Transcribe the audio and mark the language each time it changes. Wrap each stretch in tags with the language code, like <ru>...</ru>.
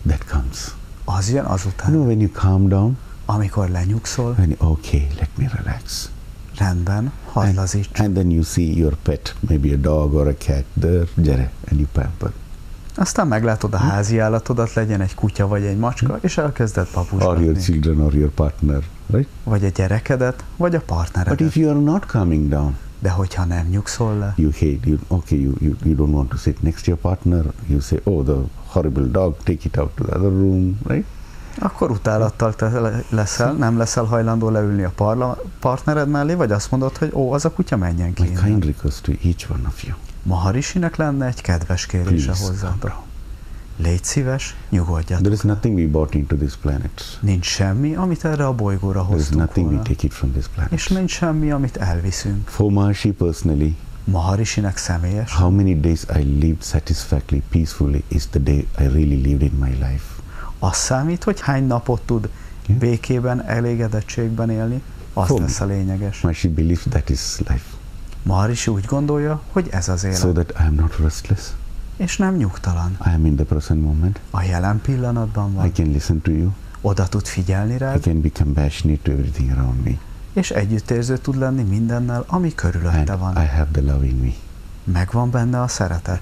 <en>That comes.</en> <hu>Az jön azután.</hu> <en>No, when you calm down.</en> <hu>Amikor lenyugszol.</hu> <en>When you, okay, let me relax.</en> <hu>Rendben, hadd lazíts.</hu> <en>And then you see your pet, maybe a dog or a cat, there,</en> <hu>gyere,</hu> <en>and you pamper.</en> <hu>Aztán meglátod a házi állatodat, legyen egy kutya vagy egy macska, és elkezded papuzsgatni.</hu> <en>Or your children or your partner, right?</en> <hu>Vagy a gyerekedet, vagy a partneredet.</hu> <en>But if you are not calming down.</en> <hu>De hogyha nem nyugszol le.</hu> <en>You hate, you don't want to sit next to your partner. You say, oh, the horrible dog, take it out to the other room, right?</en> <hu>Akkor utálattal leszel, nem leszel hajlandó leülni a partnered mellé, vagy azt mondod, hogy ó, az a kutya menjen ki.</hu> <en>My kind request to each one of you.</en> <hu>Maharishinek lenne egy kedves kérése hozzá. Légy szíves, nyugodjatok.</hu> <en>There is nothing we brought into this planet.</en> <hu>Nincs semmi, amit erre a bolygóra hoztunk.</hu> <en>There is nothing we take it from this planet.</en> <hu>És nincs semmi, amit elviszünk.</hu> <en>For Maharishi personally.</en> <hu>Maharishinek személyes.</hu> <en>How many days I lived satisfactorily, peacefully is the day I really lived in my life.</en> <hu>Azt számít, hogy hány napot tud békében, elégedettségben élni, az lesz a lényeges.</hu> <en>Maharishi believes that is life.</en> <hu>Maharishi úgy gondolja, hogy ez az élet.</hu> <en>So that I am not restless.</en> <hu>És nem nyugtalan.</hu> <en>I am in the present moment.</en> <hu>A jelen pillanatban van.</hu> <en>I can listen to you.</en> <hu>Oda tud figyelni rád.</hu> <en>I can be compassionate to everything around me.</en> <hu>És együttérző tud lenni mindennel, ami körülötte</hu> <en>and</en> <hu>van.</hu> <en>I have the love in me.</en> <hu>Megvan benne a szeretet.</hu>